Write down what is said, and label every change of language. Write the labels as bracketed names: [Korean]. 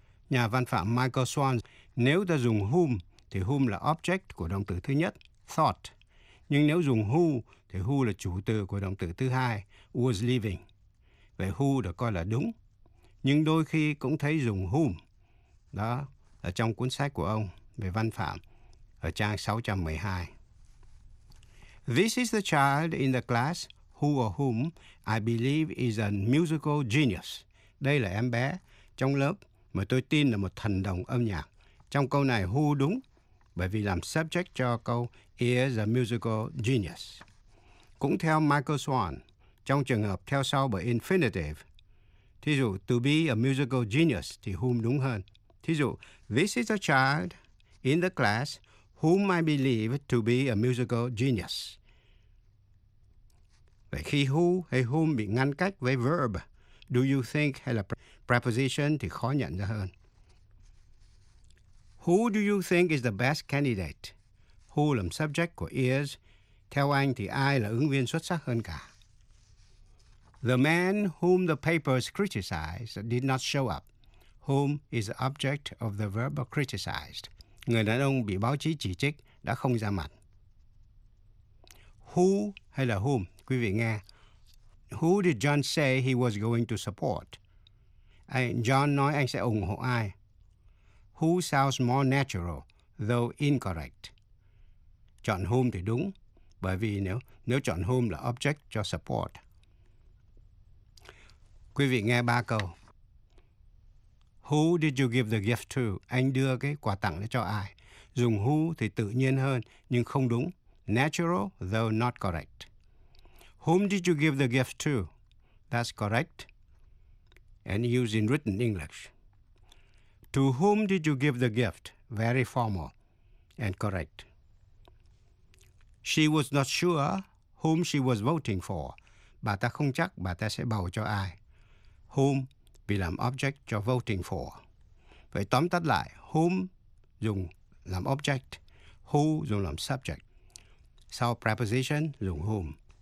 [Vietnamese] Nhà văn phạm Michael Swan, nếu ta dùng whom, thì whom là object của động từ thứ nhất, thought. Nhưng nếu dùng who, thì who là chủ từ của động từ thứ hai, was living. Vậy who được coi là đúng. Nhưng đôi khi cũng thấy dùng whom. Đó, ở trong cuốn sách của ông về văn phạm, ở trang 612. [English] This is the child in the class who or whom I believe is a musical genius. [Vietnamese] Đây là em bé trong lớp mà tôi tin là một thần đồng âm nhạc. Trong câu này who đúng, bởi vì làm subject cho câu [English] is a musical genius. [Vietnamese] Cũng theo Michael Swan, trong trường hợp theo sau bởi infinitive, thí dụ [English] to be a musical genius [Vietnamese] thì whom đúng hơn. Thí dụ, [English] this is a child in the class whom I believe to be a musical genius. [Vietnamese] Vậy khi who hay whom bị ngăn cách với verb, [English] do you think [Vietnamese] hay là preposition thì khó nhận ra hơn. [English] Who do you think is the best candidate? [Vietnamese] Who làm subject của is, theo anh thì ai là ứng viên xuất sắc hơn cả? [English] The man whom the papers criticized did not show up. Whom is the object of the verb criticized? [Vietnamese] Người đàn ông bị báo chí chỉ trích đã không ra mặt. Who hay là whom? Quý vị nghe. [English] Who did John say he was going to support? [Vietnamese] John nói anh sẽ ủng hộ ai? [English] Who sounds more natural, though incorrect? [Vietnamese] Chọn whom thì đúng, bởi vì nếu chọn whom là object cho support. Quý vị nghe ba câu. [English] Who did you give the gift to? [Vietnamese] Anh đưa cái quà tặng cho ai? Dùng who thì tự nhiên hơn, nhưng không đúng. [English] Natural, though not correct. Whom did you give the gift to? That's correct. And used in written English. To whom did you give the gift? Very formal and correct. She was not sure whom she was voting for. [Vietnamese] Bà ta không chắc bà ta sẽ bầu cho ai. Whom vì làm object cho voting for. Vậy tóm tắt lại, whom dùng làm object, who dùng làm subject. Sau preposition dùng whom.